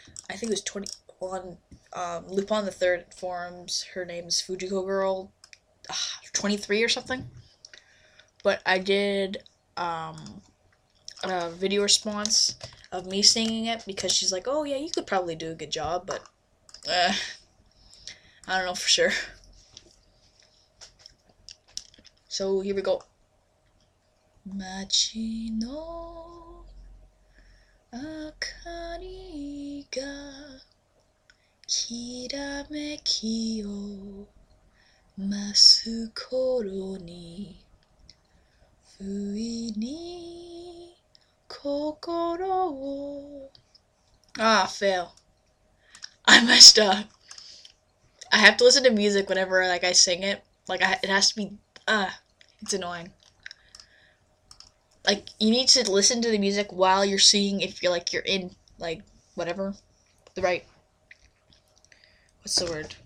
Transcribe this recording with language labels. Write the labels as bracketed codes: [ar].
[en] I think it was 21... Lupin the Third forums, her name's Fujiko Girl, 23 or something. But I did, a video response of me singing it, because she's like, oh yeah, you could probably do a good job, but, I don't know for sure. So, here we go. [ja] 街の明かりがきらめきを増す頃に、不意に心を。 [en] Ah, fail. I messed up. I have to listen to music whenever like I sing it. It has to be it's annoying. Like you need to listen to the music while you're singing if you're like you're in like whatever. The right what's the word?